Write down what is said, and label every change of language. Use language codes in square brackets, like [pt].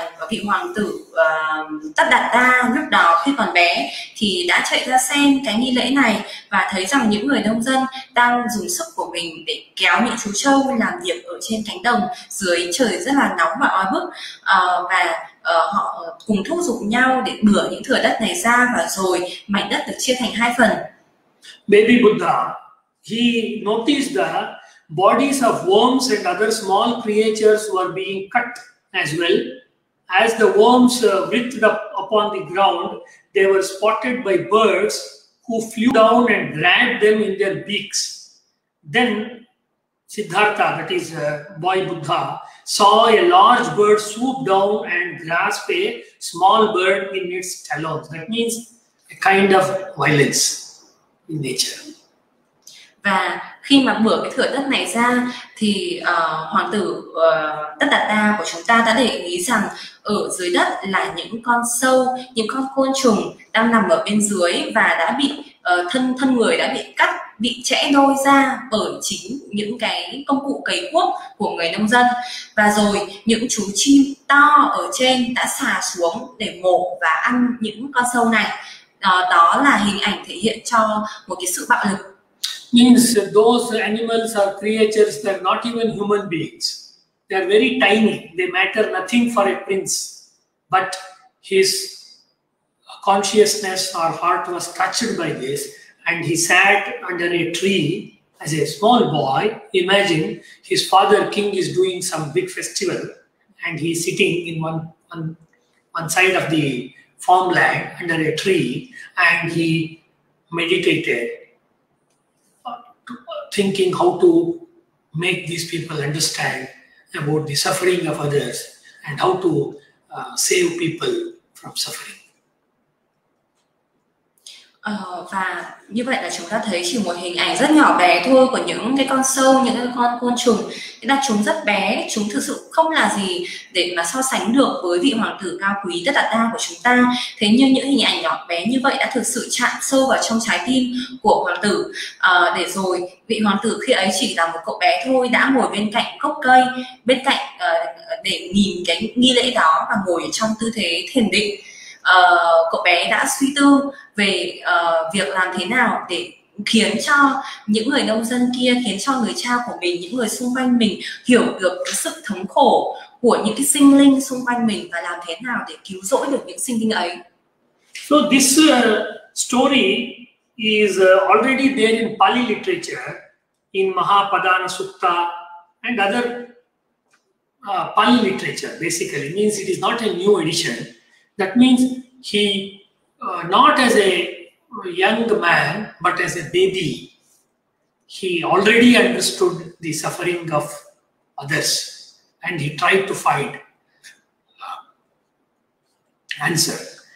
[vi] vị hoàng tử Tất Đạt Đa lúc đó khi còn bé thì đã chạy ra xem cái nghi lễ này và thấy rằng những người nông dân đang dùng sức của mình để kéo những chú trâu làm việc ở trên cánh đồng dưới trời rất là nóng và oi bức, họ cùng thúc giục nhau để bừa những thửa đất này ra, và rồi mảnh đất được chia thành hai phần. [en] Baby Buddha, he noticed the bodies of worms and other small creatures were being cut as well. As the worms writhed up upon the ground, they were spotted by birds who flew down and grabbed them in their beaks. Then Siddhartha, that is boy Buddha, saw a large bird swoop down and grasp a small bird in its talons. That means a kind of violence in nature. [vi] Và khi mà bừa cái thửa đất này ra thì hoàng tử Tất Đạt Đa của chúng ta đã để ý rằng ở dưới đất là những con sâu, những con côn trùng đang nằm ở bên dưới và đã bị thân người đã bị cắt, bị chẽ đôi ra bởi chính những cái công cụ cấy cuốc của người nông dân. Và rồi những chú chim to ở trên đã xà xuống để mổ và ăn những con sâu này. Đó là hình ảnh thể hiện cho một cái sự bạo lực. [en] Means those animals are creatures, they are not even human beings. They are very tiny, they matter nothing for a prince. But his consciousness or heart was touched by this, and he sat under a tree as a small boy. Imagine his father king is doing some big festival and he is sitting in one side of the farmland under a tree, and he meditated, thinking how to make these people understand about the suffering of others and how to save people from suffering. [vi] Và như vậy là chúng ta thấy chỉ một hình ảnh rất nhỏ bé thôi của những cái con sâu, những cái con côn trùng. Nhưng mà chúng rất bé, chúng thực sự không là gì để mà so sánh được với vị hoàng tử cao quý Tất Đạt Đa của chúng ta. Thế nhưng những hình ảnh nhỏ bé như vậy đã thực sự chạm sâu vào trong trái tim của hoàng tử. Để rồi vị hoàng tử khi ấy chỉ là một cậu bé thôi, đã ngồi bên cạnh gốc cây, bên cạnh để nhìn cái nghi lễ đó và ngồi trong tư thế thiền định. Cậu bé đã suy tư về việc làm thế nào để khiến cho những người nông dân kia, khiến cho người cha của mình, những người xung quanh mình hiểu được cái sự thống khổ của những cái sinh linh xung quanh mình và làm thế nào để cứu rỗi được những sinh linh ấy. [en] So this story is already there in Pali literature, in Mahapadana Sutta and other Pali literature basically. Means it is not a new edition. That means he, not as a young man, but as a baby, he already understood the suffering of others and he tried to find answer.